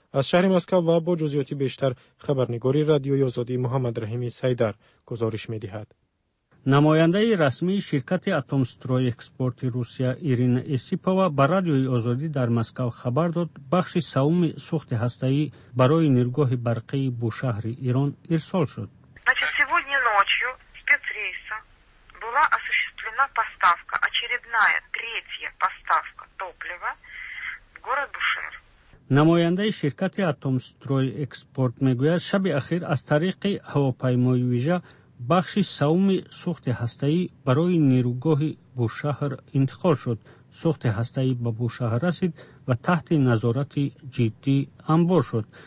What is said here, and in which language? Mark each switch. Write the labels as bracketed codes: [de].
[fa] از شهر مسکو و با جزئیات بیشتر خبرنگاری رادیوی آزادی محمد رحیمی سیدر گزارش می دهد. نماینده رسمی شرکت اتمسترو اکسپورت روسیه ایرین اسیپوا بر رادیوی آزادی در مسکو خبر داد بخش سوم سوخت هسته‌ای برای نیروگاه برقی بوشهر ایران ارسال شد. [ru] Поставка, очередная, третья поставка топлива в город Бушер. [fa] نماینده شرکت اتم استروی اکسپورت میگوید شب اخیر از طریق هواپیمای ویژه بخش سوم سوخت هسته‌ای برای نیروگاه بوشهر انتقال شد. سوخت هسته‌ای به بوشهر رسید و تحت نظارت جدی انبار شد.